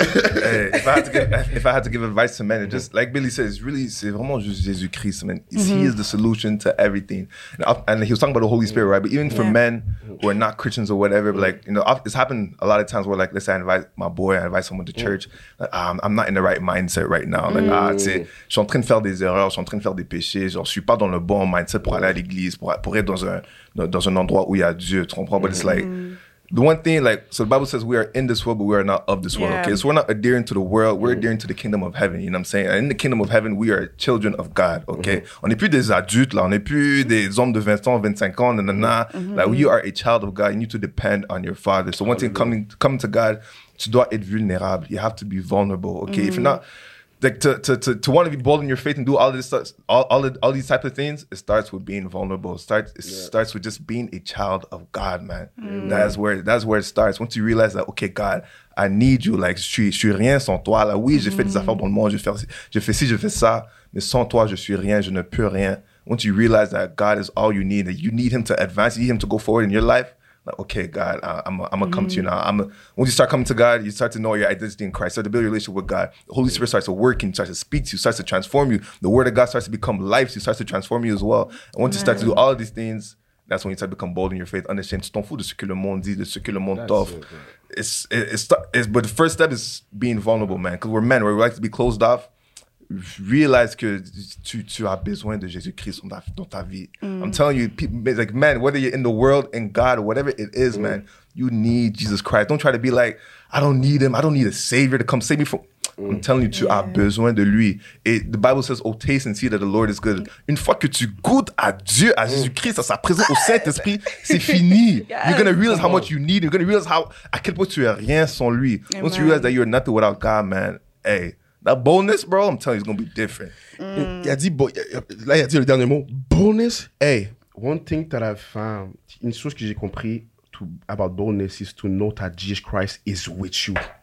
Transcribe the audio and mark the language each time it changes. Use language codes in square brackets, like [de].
[en] Hey, if I had to give advice to men, mm-hmm. just like Billy says, really, [fr] c'est vraiment juste Jésus Christ, man. [en] Mm-hmm. He is the solution to everything. And he was talking about the Holy Spirit, right? But even for men who are not Christians or whatever, mm-hmm. like, you know, it's happened a lot of times where, like, let's say I advise someone to church, I'm not in the right mindset right now. [fr] Like, tu sais, je suis en train de faire des erreurs, je suis en train de faire des péchés, genre, je suis pas dans le bon mindset pour aller à l'église, pour être dans un endroit où il y a Dieu, tu comprends? [en] But it's like, the one thing, like, so the Bible says we are in this world, but we are not of this world, okay? So we're not adhering to the world. We're adhering to the kingdom of heaven, you know what I'm saying? And in the kingdom of heaven, we are children of God, okay? [fr] On n'est plus des adultes, là. On n'est plus des hommes de 20 ans, 25 ans, nanana. [en] Like, you are a child of God. You need to depend on your Father. So one thing, coming to God, [fr] tu dois être vulnérable. [en] You have to be vulnerable, okay? If you're not... Like to want to be bold in your faith and do all this stuff, all these type of things, it starts with being vulnerable. It starts with just being a child of God, man. That's where it starts. Once you realize that, okay, God, I need you. [fr] Like, je suis rien sans toi. Là, oui, j'ai fait des affaires dans le monde. Je fais ci, je fais ça. Mais sans toi, je suis rien. Je ne peux rien. [en] Once you realize that God is all you need, that you need Him to advance, you need Him to go forward in your life. Like, okay, God, I'm gonna come to you now. Once you start coming to God, you start to know your identity in Christ, start to build a relationship with God. The Holy Spirit starts to work and starts to speak to you, starts to transform you. The Word of God starts to become life, so it starts to transform you as well. And once you start to do all of these things, that's when you start to become bold in your faith. [fr] Understand, tu t'en fous de ce que le monde dit, de ce que le monde t'offre. [en] But the first step is being vulnerable, man, because we're men, right? We like to be closed off. [fr] Realize que tu as besoin de Jésus Christ dans ta vie. [en] I'm telling you, people, like, man, whether you're in the world, in God, or whatever it is, man, you need Jesus Christ. Don't try to be like, I don't need Him. I don't need a Savior to come save me from. I'm telling you, [fr] tu as besoin de lui. Et [en] the Bible says, oh, taste and see that the Lord is good. [fr] Une fois que tu goûtes à Dieu, à Jésus Christ, à sa présence, au Saint-Esprit, c'est fini. [en] Yes. You're going to realize how much you need. You're going to realize how, [fr] à quel point tu es rien sans lui. Amen. [en] Once you realize that you're nothing without God, man, hey. That boldness, bro, I'm telling you, it's going to be different. [fr] Il a dit le dernier mot. Boldness, hey. [en] One thing that I've found, [fr] une chose que j'ai compris [en] about boldness is to know that Jesus Christ is with you.